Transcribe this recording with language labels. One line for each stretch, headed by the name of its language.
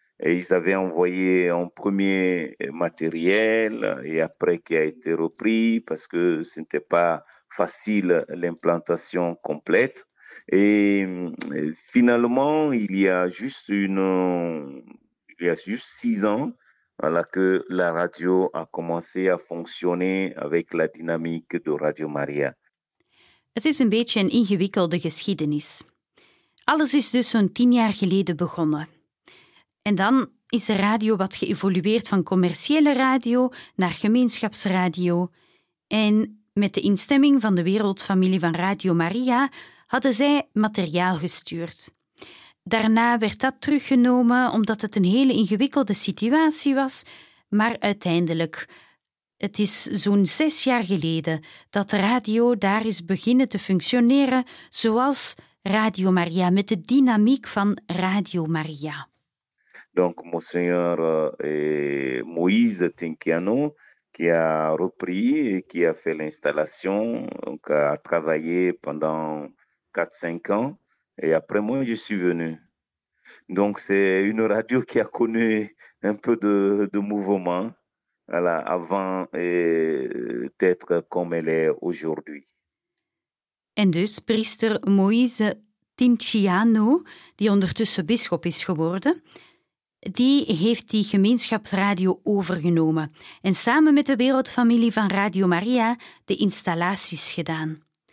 French: Et ils avaient envoyé un premier matériel et après qui a été repris parce que ce n'était pas facile l'implantation complète. Et finalement, il y a juste 6 ans, voilà, que la radio a commencé à fonctionner avec la dynamique de Radio Maria.
Dutch: Het is een beetje een ingewikkelde geschiedenis. Alles is dus zo'n 10 jaar geleden begonnen. En dan is de radio wat geëvolueerd van commerciële radio naar gemeenschapsradio. En met de instemming van de wereldfamilie van Radio Maria hadden zij materiaal gestuurd. Daarna werd dat teruggenomen omdat het een hele ingewikkelde situatie was, maar uiteindelijk. Het is zo'n 6 jaar geleden dat de radio daar is beginnen te functioneren zoals Radio Maria, met de dynamiek van Radio Maria.
French: Donc, Monseigneur Moïse Tinquiano, qui a repris et qui a fait l'installation, donc a travaillé pendant 4-5 ans, et après moi, je suis venu. Donc, c'est une radio qui a connu un peu de mouvement, voilà, avant d'être comme elle est aujourd'hui.
Dutch: En dus priester Moïse Tinciano, die ondertussen bisschop is geworden, die heeft die gemeenschapsradio overgenomen en samen met de wereldfamilie van Radio Maria de installaties gedaan.